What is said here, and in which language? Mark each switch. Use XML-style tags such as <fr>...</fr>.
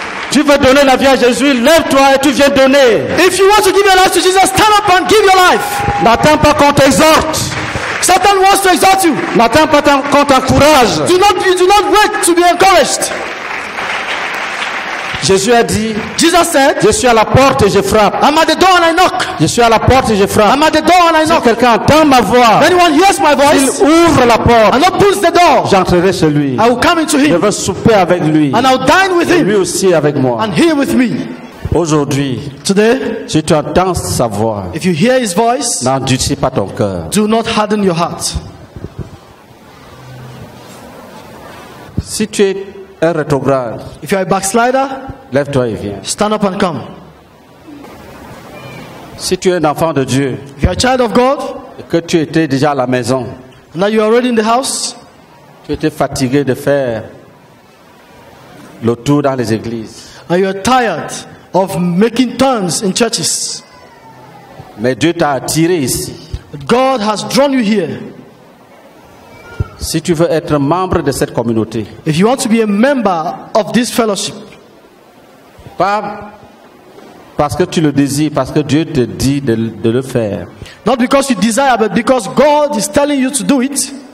<fr>Tu veux donner la vie à Jésus, lève-toi et tu viens donner.</fr> <en>If you want to give your life to Jesus, stand up and give your life.</en> <fr>N'attends pas qu'on t'exhorte.</fr> <en>Satan wants to exhort you.</en> <fr>N'attends pas qu'on t'encourage.</fr> <en>Do not wait to be encouraged.</en> <fr>Jésus a dit,</fr> <en>Jesus said,</en> <fr>je suis à la porte et je frappe.</fr> <en>I'm at the door and I knock.</en> <fr>Je suis à la porte et je frappe.</fr> <en>I'm at the door and I knock.</en> <fr>Si quelqu'un entend ma voix,</fr> <en>anyone hears my voice,</en> <fr>il ouvre la porte</fr> <en>and opens the door,</en> <fr>j'entrerai chez lui.</fr> <en>I will come into him.</en> <fr>Je vais souper avec lui.</fr> <en>And I'll dine with</en> <fr>et</fr> <en>him.</en> <fr>Lui aussi avec moi.</fr> <en>And he with me.</en> <fr>Aujourd'hui,</fr> <en>today,</en> <fr>si tu entends sa voix,</fr> <en>if you hear his voice,</en> <fr>n'endurcis pas ton cœur.</fr> <en>Do not harden your heart.</en> <fr>Si tu es un rétrograde,</fr> <en>if you are a backslider,</en> <fr>lève-toi et viens.</fr> <en>Stand up and come.</en> <fr>Si tu es un enfant de Dieu,</fr> <en>if you are a child of God,</en> <fr>et que tu étais déjà à la maison,</fr> <en>and now you are already in the house,</en> <fr>tu étais fatigué de faire le tour dans les églises,</fr> <en>and you are tired of making turns in churches,</en> <fr>mais Dieu t'a attiré ici.</fr> <en>God has drawn you here.</en> <fr>Si tu veux être membre de cette communauté,</fr> <en>if you want to be a member of this fellowship,</en> <fr>pas parce que tu le désires, parce que Dieu te dit de le faire,</fr> <en>not because you desire, but because God is telling you to do it,</en>